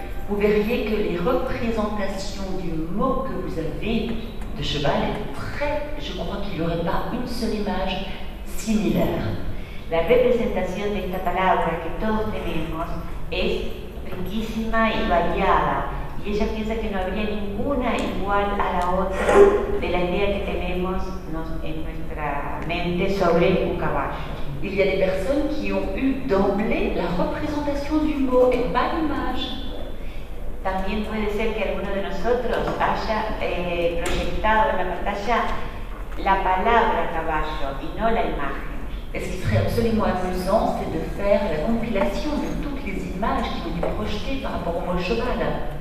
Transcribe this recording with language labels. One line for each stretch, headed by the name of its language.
French: vous verriez que les représentations du mot que vous avez de cheval est très, je crois qu'il n'y aurait pas une seule image similaire.
Spanish: La representación de esta palabra que todos tenemos es riquísima y variada, y ella piensa que no habría ninguna igual a la otra de la idea que tenemos en nuestra mente sobre un caballo.
French: Il y a des personnes qui ont eu d'emblée la représentation du mot et pas l'image.
Spanish: También puede ser que alguno de nosotros haya proyectado en la pantalla la palabra caballo y no la imagen.
French: Et ce qui serait absolument amusant, c'est de faire la compilation de toutes les images qui ont été projetées par rapport au mot cheval.